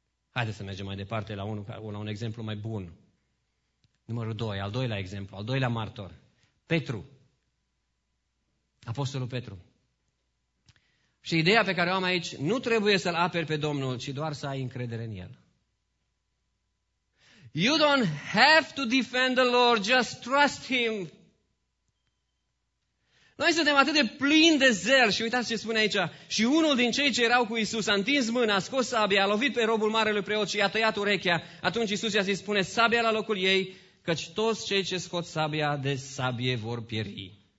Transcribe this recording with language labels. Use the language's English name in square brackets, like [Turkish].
[Romanian] Haideți să mergem mai departe la un exemplu mai bun. Numărul 2, al doilea exemplu, al doilea martor. Petru. Apostolul Petru. Și ideea pe care o am aici, nu trebuie să-l aperi pe Domnul, ci doar să ai încredere în el. [English] You don't have to defend the Lord, just trust him. [Romanian] Noi suntem atât de plini de zel și uitați ce spune aici. Și unul din cei ce erau cu Iisus a întins mâna, a scos sabia, a lovit pe robul marelui preot și i-a tăiat urechea. Atunci Iisus i-a zis, pune sabia la locul ei, căci toți cei ce scot sabia de sabie vor pieri.